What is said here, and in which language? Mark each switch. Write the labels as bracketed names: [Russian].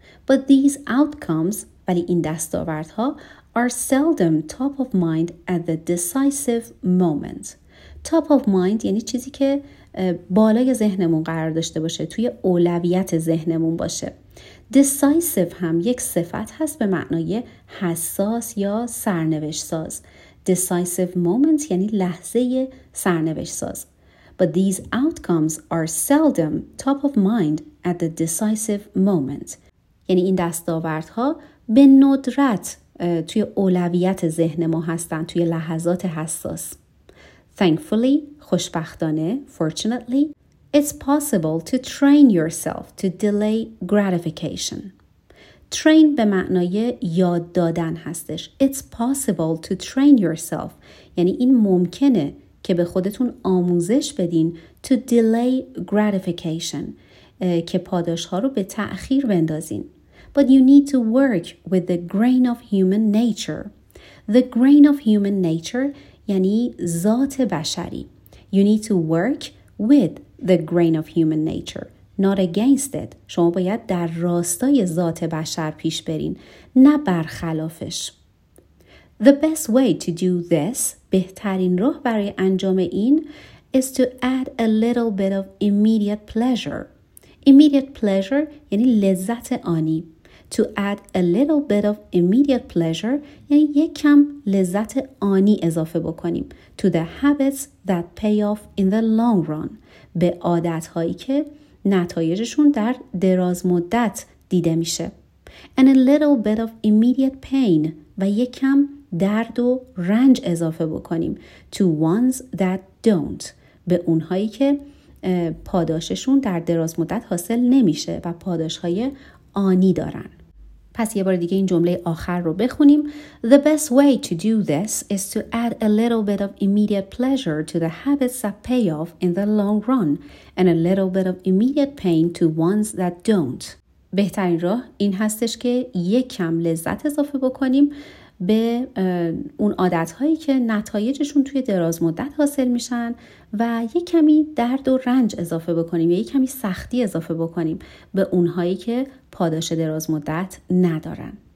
[English] But these outcomes, [Persian] ولی این دستاوردها, [English] are seldom top of mind at the decisive moment. Top of mind [Persian] یعنی چیزی که بالای ذهنمون قرار داشته باشه, توی اولویت ذهنمون باشه. Decisive هم یک صفت هست به معنای حساس یا سرنوشت ساز. [English] Decisive moment [Persian] یعنی لحظه سرنوشت ساز. [English] But these outcomes are seldom top of mind at the decisive moment. [Persian] یعنی این دستاوردها به ندرت توی اولویت ذهن ما هستن توی لحظات حساس. [English] Thankfully, [Persian] خوشبختانه, [English] fortunately, it's possible to train yourself to delay gratification. [Persian] Train به معنای یاد دادن هستش. [English] It's possible to train yourself. [Persian] یعنی این ممکنه که به خودتون آموزش بدین [English] to delay gratification. [Persian] که پاداش ها رو به تأخیر بندازین. [English] But you need to work with the grain of human nature. The grain of human nature [Persian] یعنی ذات بشری. [English] You need to work with the grain of human nature, not against it. [Persian] شما باید در راستای ذات بشر پیش برین, نه برخلافش. [English] The best way to do this, [Persian] بهترین راه برای انجام این, [English] is to add a little bit of immediate pleasure. Immediate pleasure [Persian] یعنی لذت آنی. [English] To add a little bit of immediate pleasure [Persian] یعنی یک کم لذت آنی اضافه بکنیم. [English] To the habits that pay off in the long run. [Persian] به عادتهایی که نتایجشون در دراز مدت دیده میشه. [English] And a little bit of immediate pain [Persian] و یک کم درد و رنج اضافه بکنیم. [English] To ones that don't. [Persian] به اونهایی که پاداششون در دراز مدت حاصل نمیشه و پاداشهای آنی دارن. پس یه بار دیگه این جمله آخر رو بخونیم. [English] The best way to do this is to add a little bit of immediate pleasure to the habits that pay off in the long run and a little bit of immediate pain to ones that don't. [Persian] بهترین راه این هستش که یک کم لذت اضافه بکنیم به اون عادتهایی که نتایجشون توی دراز مدت حاصل میشن و یک کمی درد و رنج اضافه بکنیم یا یک کمی سختی اضافه بکنیم به اونهایی که پاداش دراز مدت ندارن.